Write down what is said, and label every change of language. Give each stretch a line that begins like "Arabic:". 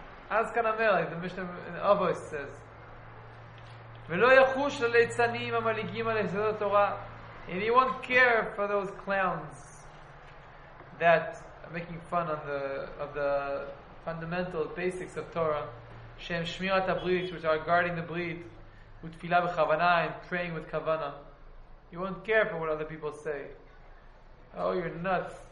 English: As kanamel, like the Mishnah in Avos says.
Hebrew: ולא יחוש לליצנים המליגים על יסוד התורה.
English: And he won't care for those clowns that are making fun of the fundamental basics of Torah,
Hebrew: שהם שמירת הברית,
English: which are guarding the breed,
Hebrew: ותפילה בכוונה,
English: and praying with kavana. He won't care for what other people say. Oh, you're nuts.